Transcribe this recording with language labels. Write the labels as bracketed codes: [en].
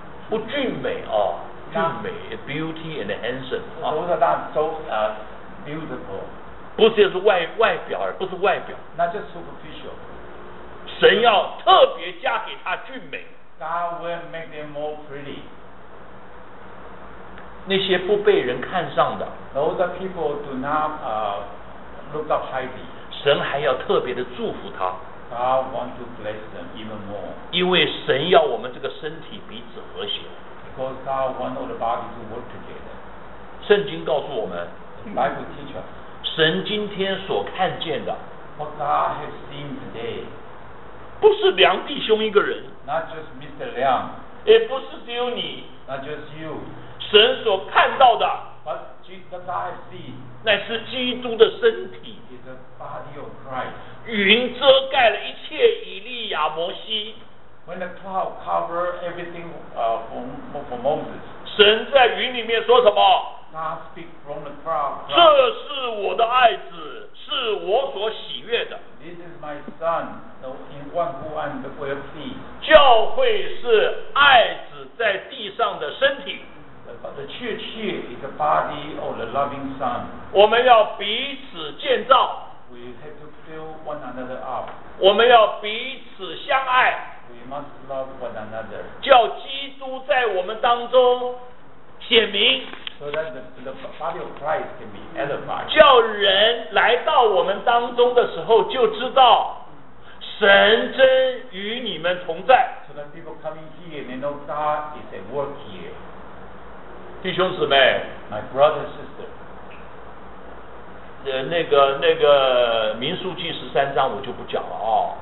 [zh] 不俊美啊、哦，俊美 ， [en] beauty and handsome. Those that are so beautiful. [zh] 不是就是外表而不是外表 [en] not just superficial [zh] 神要特别加给他俊美 [en] God will make them more pretty [zh] 那些不被人看上的 [en] those people do not look up highly [zh] 神还要特别的祝福他 [en] God want to bless them even more [zh] 因为神要我们这个身体彼此和谐 [en] because God want all the body to work together [zh] 圣经告诉我们 [en] Bible teach us [zh] 神今天所看见的 [en] What God has seen today [zh] 不是梁弟兄一个人 [en] Not just Mr. Liang [zh] 也不是只有你 [en] Not just you [zh] 神所看到的 [en] But God has seen [zh] 乃是基督的身体 [en] Is the body of Christ [zh] 云遮盖了一切以利亚摩西 [en] When the cloud covered everything for Moses [zh] 神在云里面说什么 [en] God speak from the cloud. [zh] 这是我的爱子，是我所喜悦的。 [en] This is my son, the one who I'm the well pleased. [zh] 教会是爱子在地上的身体。 [en] The church is the body of the loving son. [zh] 我们要彼此建造。 [en] We have to fill one another up. [zh] 我们要彼此相爱。 [en] We must love one another. [zh] 叫基督在我们当中显明。 [en] So that the body of Christ can be edified. [zh] 叫人来到我们当中的时候就知道神真与你们同在。 [en] So that people coming here, they know God is at work here. [zh] 弟兄姊妹 [en] My brother and sister. [zh] 那个民数记十三章我就不讲了啊、哦。